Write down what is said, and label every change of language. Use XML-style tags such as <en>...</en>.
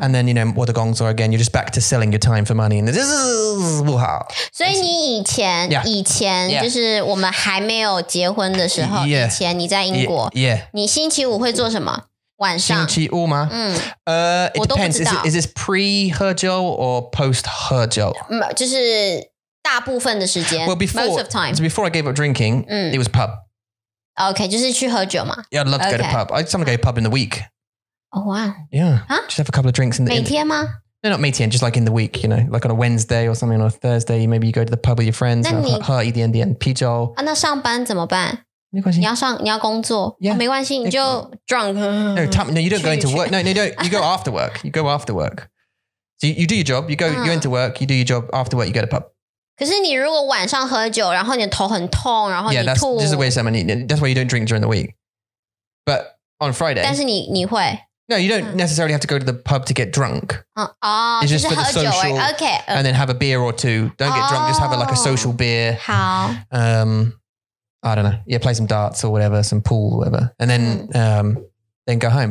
<en>And then, you know,</en> <zh>我的工作</zh> <en>again, you're just back to selling your time for money. And this is</en> <zh>不好。所以你以前就是我们还没有结婚的时候，</zh> <en>yeah.</en> <zh>以前你在英国，</zh> <en>yeah. Yeah.</en> <zh>你星期五会做什么？晚上？星期五吗？我都不知道。</zh> <en>Is this pre-</en> <zh>喝酒</zh> <en>or post-喝酒？</en> <zh>就是大部分的时间。</zh> <en>Well, before, most of time. So before I gave up drinking, it was pub.</en> <zh>Okay, 就是去喝酒嘛。</zh> <en>Yeah, I'd love to go to pub. I'd sometimes go to pub in the week. Oh, wow. Yeah. Huh? Just have a couple of drinks.</en> <zh>每天吗？</zh> <en>No, not</en> <zh>每天,</zh> <en>just like in the week, you know, like on a Wednesday or something, on a Thursday, maybe you go to the pub with your friends,</en> <zh>喝一点点啤酒。啊，那上班怎么办？没关系。你要工作。</zh> <en>Yeah.</en> <zh>没关系,你就</zh> <en>drunk. No, you don't go into work. No, you go after work. You go after work. So you do your job, you go into work, you do your job, after work, you go to pub.</en> <zh>可是你如果晚上喝酒，然后你头很痛，然后你吐。</zh> <en>Yeah, that's just the way some of you. That's why you don't drink during the week. But on Friday.</en> <zh>但是你会。</zh> <en>No, you don't necessarily have to go to the pub to get drunk. Oh, it's just for the social. Okay. And then have a beer or two. Don't get drunk. Just have a social beer.</en> <zh>好。</zh> <en>I don't know. Yeah, play some darts or whatever, some pool, whatever, and then go home.</en>